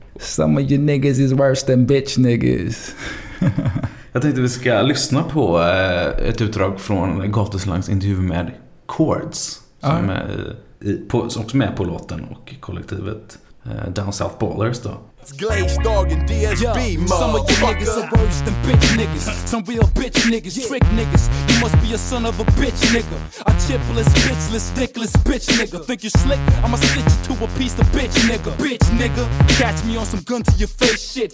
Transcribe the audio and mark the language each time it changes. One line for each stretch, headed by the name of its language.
English: Some of you niggas is worse than bitch niggas.
Swedish: Jag tänkte vi ska lyssna på ett utdrag från Gatuslangs intervju med Chords, som är också med på låten och kollektivet Down South Ballers då.
English: It's Glaze Dog and DSB, yeah. Motherfucker. Some of you niggas are worse than bitch niggas. Some real bitch niggas, yeah. Trick niggas. You must be a son of a bitch nigga. A chipless, bitchless, dickless bitch nigga. Think you slick? I'ma stitch you to a piece of bitch nigga. Bitch nigga, catch me on some gun to your face shit.